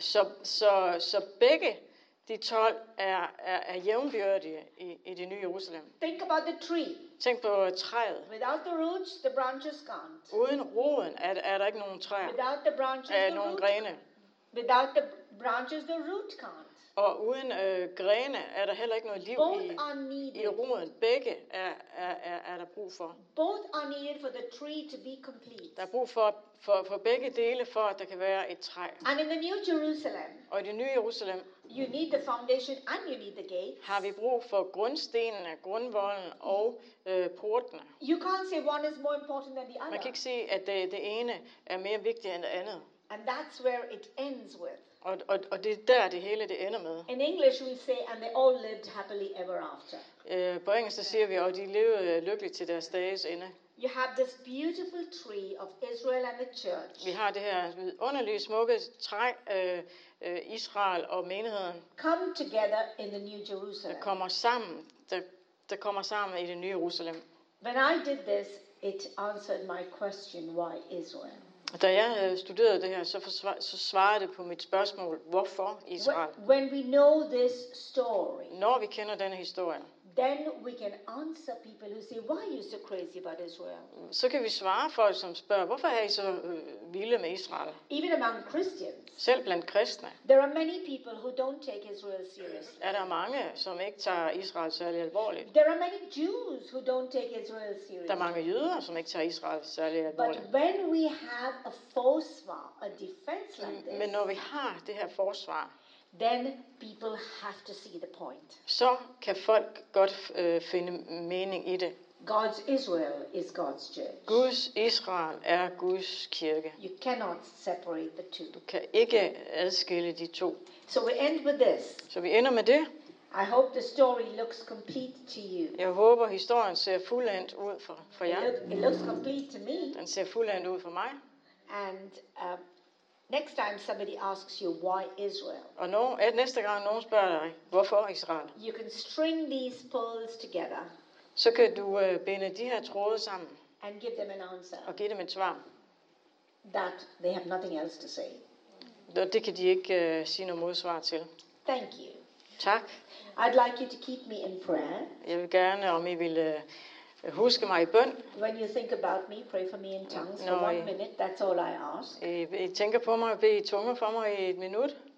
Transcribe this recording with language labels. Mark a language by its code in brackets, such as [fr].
[da] Så begge de 12 er jævnbyrdige i det nye Jerusalem. [en] Think about the tree. [da] Tænk på træet. [en] Without the roots, the branches can't. [da] Uden roden er der ikke nogen træer. [en] Without the branches, [da] er nogen grene. [en] Without the branches, the root can't. [da] Og uden grene er der heller ikke noget liv i roden. Begge er der brug for. [en] Both are needed for the tree to be complete. [da] Der er brug for begge dele for at der kan være et træ. [en] And in the new Jerusalem. [da] Og i det nye Jerusalem. [en] You need the foundation and you need the gates. [da] Har vi brug for grundstenene, grundvolden og portene. [en] You can't say one is more important than the other. [da] Man kan ikke sige at det ene er mere vigtigt end det andet. [en] And that's where it ends with. [da] Og det er der det hele det ender med. [en] In English we say and they all lived happily ever after. [da] På engelsk så siger vi og de levede lykkeligt til deres dages ende. [en] You have this beautiful tree of Israel and the church. [da] Vi har det her underlige smukke træ Israel og menigheden. [en] Come together in the new Jerusalem. [da] Der kommer sammen. Der kommer sammen i det nye Jerusalem. [en] When I did this, it answered my question why Israel. [da] Da jeg studerede det her, så svarede det på mit spørgsmål, hvorfor Israel? [en] When we know this story, [da] når vi kender denne historie, [en] Then we can answer people who say, why are you so crazy about Israel? [da] Så kan vi svare folk, som spørger, hvorfor er I så vilde med Israel? [en] Even among Christians. [da] Selv blandt kristne. [en] There are many people who don't take Israel seriously. [da] Er der mange, som ikke tager Israel særlig alvorligt? [en] There are many Jews who don't take Israel seriously. [da] Der er mange jøder, som ikke tager Israel særlig alvorligt. [en] But when we have a forsvar, a defense like this. [da] Men når vi har det her forsvar. [en] Then people have to see the point. [da] Så kan folk godt finde mening i det. [en] God's Israel is God's church. [da] Guds Israel er Guds kirke. [en] You cannot separate the two. [da] Du kan ikke adskille de to. [en] So we end with this. [da] Så vi ender med det. [en] I hope the story looks complete to you. [da] Jeg håber historien ser fuldendt ud for jer. [en] It looks complete to me. [da] Den ser fuldendt ud for mig. [en] And next time somebody asks you why Israel. [da] Og næste gang nogen spørger dig, hvorfor Israel? [en] You can string these pearls together. [da] Så kan du binde de her tråde sammen. [en] And give them an answer. [da] Og give dem et svar. [en] That they have nothing else to say. [da] Det kan de ikke sige noget modsvar til. [en] Thank you. [da] Tak. [en] I'd like you to keep me in prayer. [da] Jeg vil gerne, om I vil huske mig i bøn. [en] When you think about me, pray for me in tongues for 1 minute. That's all I ask. [da] I tænker på mig, bed i tunge for mig i 1 minut.